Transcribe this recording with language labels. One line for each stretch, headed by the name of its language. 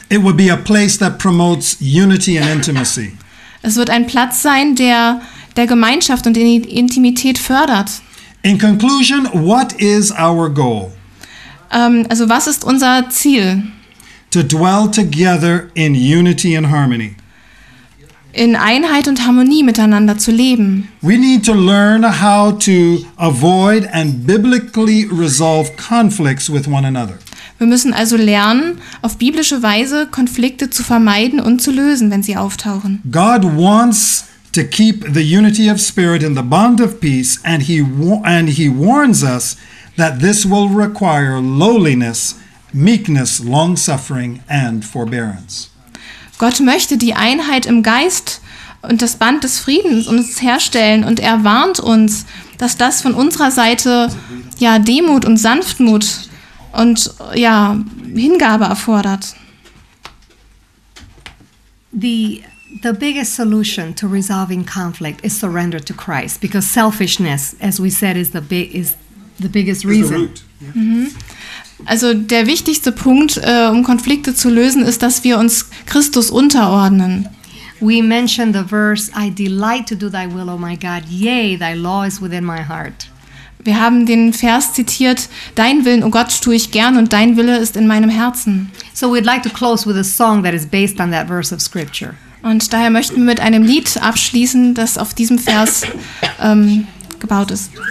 English: It will be a place that promotes unity and intimacy.
German: Es wird ein Platz sein, der Gemeinschaft und Intimität fördert.
English: In conclusion, what is our goal?
German: Also was ist unser Ziel?
English: To dwell together in unity and harmony.
German: In Einheit und Harmonie miteinander zu leben.
English: We need to learn how to avoid and biblically resolve conflicts with one another.
German: Wir müssen also lernen, auf biblische Weise Konflikte zu vermeiden und zu lösen, wenn sie auftauchen.
English: God wants to keep the unity of spirit in the bond of peace, and he warns us that this will require lowliness, meekness, long suffering and forbearance.
German: Gott möchte die Einheit im Geist und das Band des Friedens uns herstellen und er warnt uns, dass das von unserer Seite ja Demut und Sanftmut und ja Hingabe erfordert.
English: The biggest solution to resolving conflict is surrender to Christ, because selfishness, as we said, is the biggest reason. Is the root. Yeah. Mm-hmm.
German: Also der wichtigste Punkt, um Konflikte zu lösen, ist, dass wir uns Christus unterordnen.
English: We mentioned the verse, I delight to do thy will, O my God, yea, thy law is within my heart.
German: Wir haben den Vers zitiert, dein Willen, O Gott, tue ich gern und dein Wille ist in meinem Herzen.
English: So we'd like to close with a song that is based on that verse of scripture.
German: Und daher möchten wir mit einem Lied abschließen, das auf diesem Vers gebaut ist.